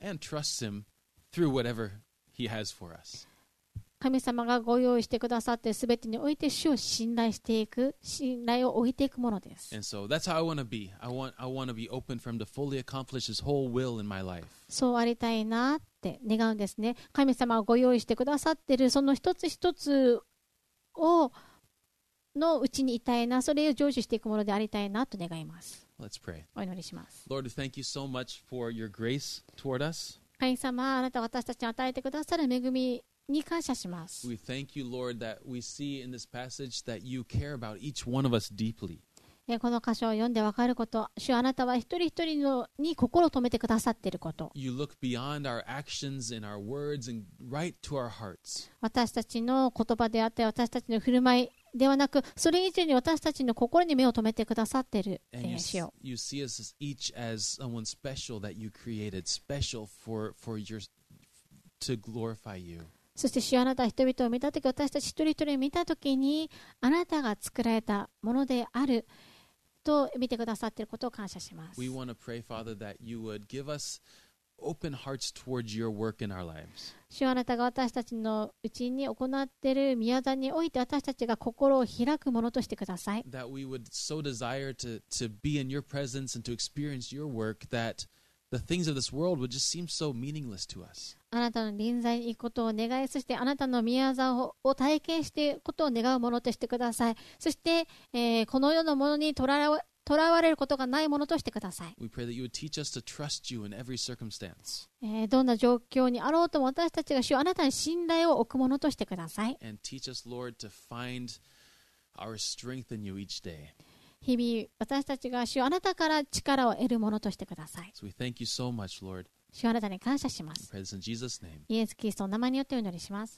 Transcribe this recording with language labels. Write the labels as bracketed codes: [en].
[en] And trusts him through whatever he has for us. [ja] 神様がご用意してくださって全てにおいて主を信頼していく信頼を置いていくものです。 [en] And so that's how I want to be. I want to be open for him to fully accomplish his whole will in my life. [ja] そうありたいなって願うんですね。神様がご用意してくださっているその一つ一つをのうちにいたいな、それを成就していくものでありたいなと願います。 [en] Let's pray. [ja] お祈りします。 [en] Lord, thank you so much for your grace toward us. [ja] 神様、あなたは私たちに与えてくださる恵みに感謝します。 [en] We thank you, Lord, that we see in this passage that you care about each one of us deeply. [ja] この箇所を読んでわかること、主あなたは一人一人のに心を留めてくださっていること。 [en] You look beyond our actions and our words and right to our hearts. [ja] 私たちの言葉であって私たちの振る舞いではなく、それ以上に私たちの心に目を留めてくださっている主よ。 [en] You see us each as someone special that you created, special for your to glorify you. [ja] そして主よ、あなた人々を見たとき、私たち一人一人を見たときに、あなたが作られたものであると見てくださっていることを感謝します。 [en] We want to pray, Father, that you would give us open hearts towards your work in our lives. [ja] 主よ、あなたが私たちのうちに行っている御業において、私たちが心を開くものとしてください。 [en] That we would so desire to be in your presence and to experience your work that the things of this world would just seem so meaningless to us. [ja] あなたの臨在に行くことを願い、そしてあなたの御業を体験していくことを願うものとしてください。そして、この世のものにとらわれることがないものとしてください。 [en] We pray that you would teach us to trust you in every circumstance. [ja] どんな状況にあろうとも私たちが主をあなたに信頼を置くものとしてください。 [en] And teach us, Lord, to find our strength in you each day. [ja] 日々私たちが主あなたから力を得るものとしてください。 [en] So we thank you so much, Lord. [ja] 主あなたに感謝します。 [en] In Jesus' name. [ja] イエス・キリストの名前によってお祈りします。